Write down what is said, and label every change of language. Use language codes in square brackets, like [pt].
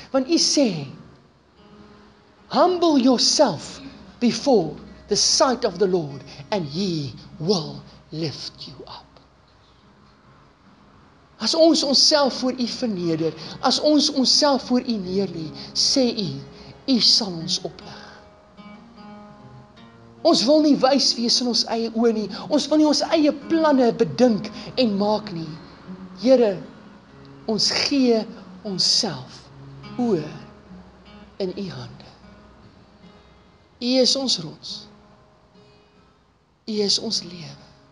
[af] Want u sê, [en] humble yourself before the sight of the Lord and he will lift you up. [af] As ons onsself voor u verneder, as ons onsself voor u neerlê, sê u, u sal ons oplig. Ons wil nie wys wees in ons eie oë nie. Ons wil nie ons eie planne bedink en maak nie. Here, ons gee onsself oor in u hande. U is ons rots. U is ons lewe.